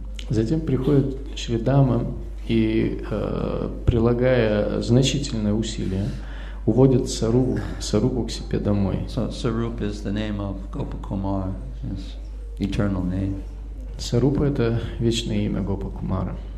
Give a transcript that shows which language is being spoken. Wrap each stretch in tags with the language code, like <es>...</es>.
<ru>Затем приходит Шри Дама, и прилагая значительные усилия, уводит Сарупу к себе домой.</ru> <en>So Sarup is the name of Gopakumar, his eternal name.</en> <ru>Сарупа — это вечное имя Гопакумара.</ru>